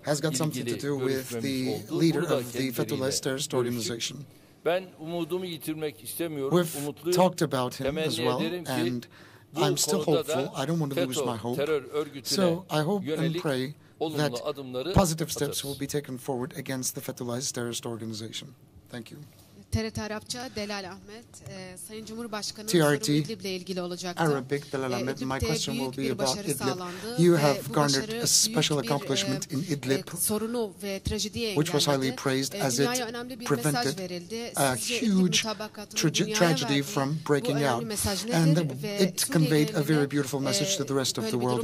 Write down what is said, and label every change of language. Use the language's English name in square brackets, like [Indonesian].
[English] has got something to do with the leader of the FETÖ terrorist organization. [Turkish] Ben umudumu yitirmek istemiyorum. [English] We've talked about him as well, and I'm still hopeful. I don't want to lose my hope. So I hope and pray that positive steps will be taken forward against the Fethullahist terrorist organization. Thank you. [Turkish] TRT Arapça Delal Ahmet, Sayın Cumhurbaşkanı'nın sorumlu İdlib ile ilgili olacaktı. [English] Arabic Delal Ahmet, my question will be about Idlib. You have garnered a special accomplishment in Idlib, which was highly praised as it prevented a huge tragedy from breaking out. And it conveyed a very beautiful message to the rest of the world.